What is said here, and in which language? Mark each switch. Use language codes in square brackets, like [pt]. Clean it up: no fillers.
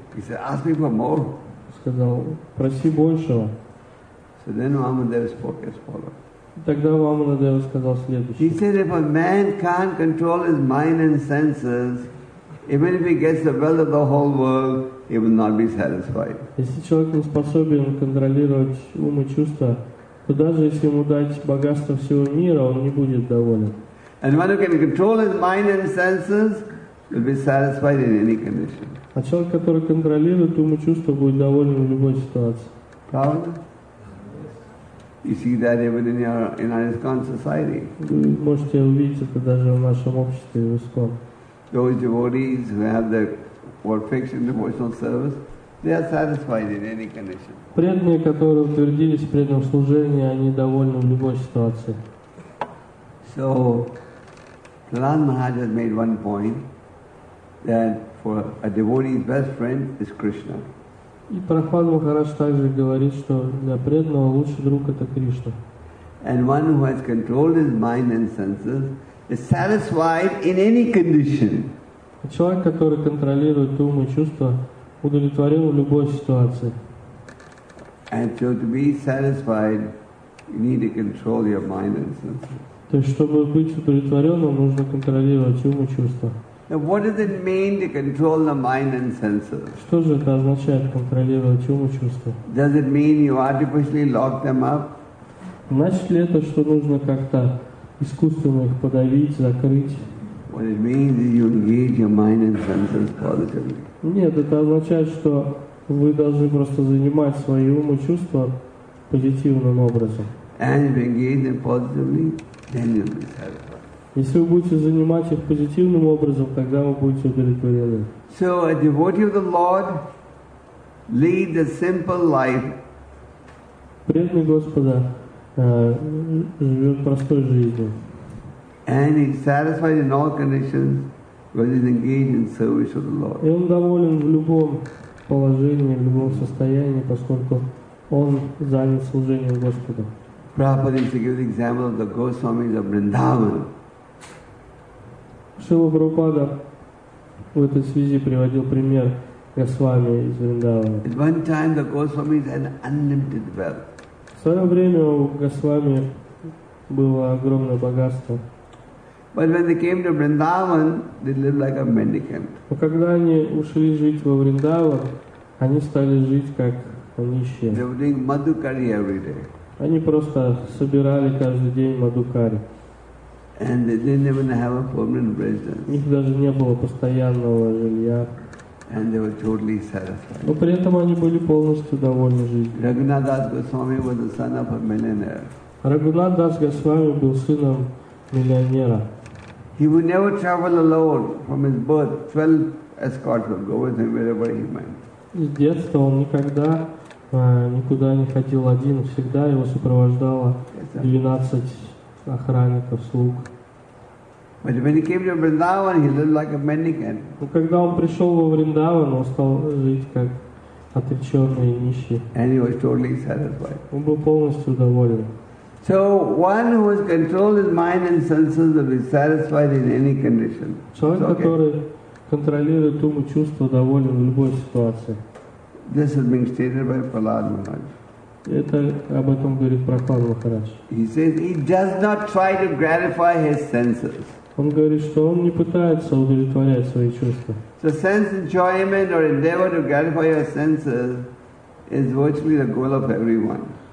[en] He said, "Ask me for more." [ru] Сказал: "Проси большего." [en] So then Vamadeva spoke as follows. [ru] Тогда Вамадева сказал следующее. [en] He said, "If a man can't control his mind and senses, even if he gets the wealth of the whole world, he will not be satisfied." [ru] Если человек не способен контролировать ум и чувства, то даже если ему дать богатство всего мира, он не будет доволен. [en] And one who can control his mind and senses will be satisfied in any condition. [ru] А человек, который контролирует ум и чувства, будет доволен в любой ситуации. Правда? [en] You see that even in our ISKCON society. [ru] Вы можете увидеть это даже в нашем обществе в ISKCON. [en] Those devotees who have their perfect devotional service, they are satisfied in any condition. [ru] Преданные, которые утвердились в преданном служении, они довольны в любой ситуации. [en] So, Prahlad Maharaj has made one point that for a devotee's best friend is Krishna. [ru] И Прахлад Махарадж также говорит, что для преданного лучший друг это Кришна. [en] And one who has controlled his mind and senses is satisfied in any condition. [ru] Человек, который контролирует ум и чувства, удовлетворен в любой ситуации. [en] And so to be satisfied, you need to control your mind and senses. [ru] То есть, чтобы быть удовлетворенным, нужно контролировать ум и чувства. [en] Now, what does it mean to control the mind and senses? [ru] Что же это означает контролировать ум и чувства? [en] Does it mean you artificially lock them up? [ru] Значит ли это, что нужно как-то искусственно их подавить, закрыть? [en] What it means is you engage your mind and senses positively. [ru] Нет, это означает, что вы должны просто занимать свои ум и чувства позитивным образом. [en] And if you engage them positively, then you'll be satisfied. [ru] Если вы будете занимать их позитивным образом, тогда вы будете удовлетворены. [en] So a devotee of the Lord leads a simple life. [ru] Преданный Господа живет простой жизнью. [en] And he's satisfied in all conditions when he's engaged in service of the Lord. [ru] И он доволен в любом положении, в любом состоянии, поскольку он занят служением Господу. [en] Prabhupada used to give the example of the Goswamis of Vrindavan. [ru] Шрила Прабхупада в этой связи приводил пример Госвами из Вриндавана. [en] At one time the Goswamis had unlimited wealth. [ru] В свое время у Госвами было огромное богатство. [en] But when they came to Vrindavan, they lived like a mendicant. [ru] Но когда они ушли жить во Вриндаван, они стали жить как нищие. [en] They were doing madhukari every day. [ru] Они просто собирали каждый день мадхукари. [en] And they didn't even have a permanent residence. [ru] У них даже не было постоянного жилья. [en] And they were totally satisfied. [ru] Но при этом они были полностью довольны жизнью. [en] Raghunath Das Goswami was the son of a millionaire. [ru] Raghunath Das Goswami был сыном миллионера. [en] He would never travel alone from his birth. 12 escorts would go with him wherever he went. [ru] С детства он никогда никуда не ходил один. Всегда его сопровождало 12 охранников, слуг. [en] But when he came to Vrindavan, he lived like a mendicant. [ru] Но когда он пришел во Вриндаван, он стал жить как отреченный и нищий. [en] And he was totally satisfied. [ru] Он был полностью доволен. [en] So one who has controlled his mind and senses will be satisfied in any condition. [ru] Человек, который контролирует ум и чувства, доволен в любой ситуации. [en] This has been stated by Prahlad Maharaj. [ru] Это об этом говорит Прахлад Махарадж. [en] He says he does not try to gratify his senses. [ru] Он говорит, что он не пытается удовлетворять свои чувства. [en] So sense enjoyment or endeavor to gratify your senses is virtually the goal of everyone.